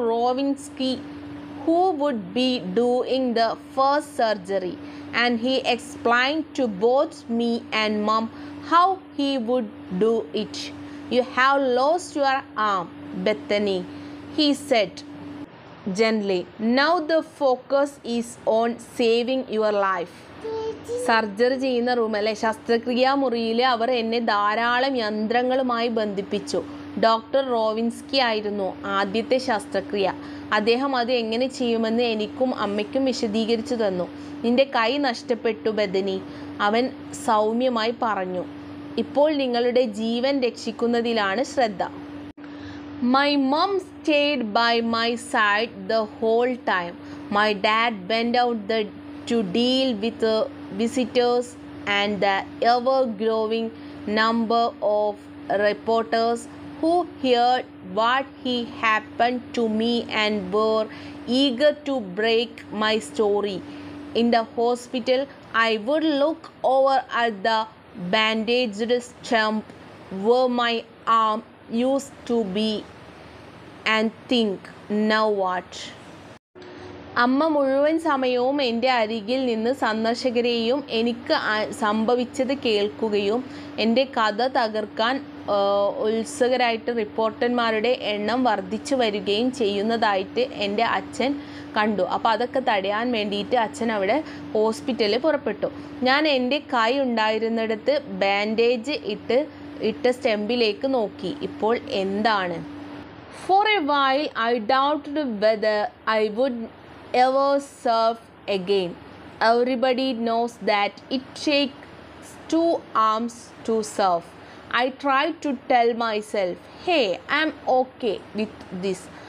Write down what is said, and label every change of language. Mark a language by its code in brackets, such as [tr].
[en] Rovinsky who would be doing the first surgery, and he explained to both me and mom how he would do it. "You have lost your arm, Bethany," he said gently. "Now the focus is on saving your life." [ml] Surgery ചെയ്യുന്ന room അല്ലേ, ശസ്ത്രക്രിയാ മുറിയിൽ അവർ എന്നെ ധാരാളം യന്ത്രങ്ങളുമായി ബന്ധിപ്പിച്ചു. Doctor റോവിൻസ്കി ആയിരുന്നു ആദ്യത്തെ ശസ്ത്രക്രിയ. അദ്ദേഹം അത് എങ്ങനെ ചെയ്യുമെന്ന് എനിക്കും അമ്മയ്ക്കും വിശദീകരിച്ചു തന്നു. "നിന്റെ കൈ നഷ്ടപ്പെട്ടു ബദനി," അവൻ സൗമ്യമായി പറഞ്ഞു. "ഇപ്പോൾ നിങ്ങളുടെ ജീവൻ രക്ഷിക്കുന്നതിലാണ് ശ്രദ്ധ." [en] My mom stayed by my side the whole time. My dad bent out to deal with the visitors and the ever-growing number of reporters who heard what he happened to me and were eager to break my story. In the hospital, I would look over at the bandaged stump where my arm used to be and think, "Now what?" [ml] അമ്മ മുഴുവൻ സമയവും എൻ്റെ അരികിൽ നിന്ന് സന്ദർശകരെയും എനിക്ക് സംഭവിച്ചത് കേൾക്കുകയും എൻ്റെ കഥ തകർക്കാൻ ഉത്സുകരായിട്ട് റിപ്പോർട്ടർമാരുടെ എണ്ണം വർദ്ധിച്ചു വരികയും ചെയ്യുന്നതായിട്ട് എൻ്റെ അച്ഛൻ കണ്ടു. അപ്പോൾ അതൊക്കെ തടയാൻ വേണ്ടിയിട്ട് അച്ഛൻ അവിടെ ഹോസ്പിറ്റലിൽ പുറപ്പെട്ടു. ഞാൻ എൻ്റെ കൈ ഉണ്ടായിരുന്നിടത്ത് ബാൻഡേജ് ഇട്ട സ്റ്റെമ്പിലേക്ക് നോക്കി. ഇപ്പോൾ എന്താണ്? [en] For a while, I doubted whether I would ever serve again. Everybody knows that it takes two arms to serve. I tried to tell myself, "Hey, I'm okay with this.